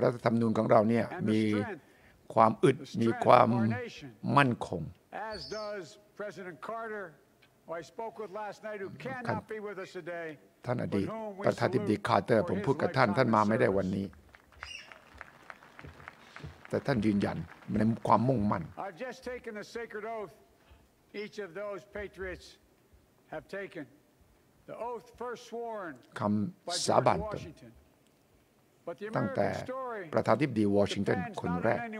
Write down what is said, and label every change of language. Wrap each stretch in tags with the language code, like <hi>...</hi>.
<th>รัฐธรรมนูญของเราเนี่ยมีความอึดมีความมั่นคง</th> <en>As does President Carter, who I spoke with last night, who cannot be with us today.</en> <th>ท่านอดีตประธานาธิบดีคาร์เตอร์ผมพูดกับท่านท่านมาไม่ได้วันนี้แต่ท่านยืนยันในความมุ่งมั่น</th> <en>I've just taken the sacred oath each of those patriots have taken. The oath first sworn by George Washington.</en> <th>ตั้งแต่ประธานาธิบดีวอชิงตันคนแรก</th>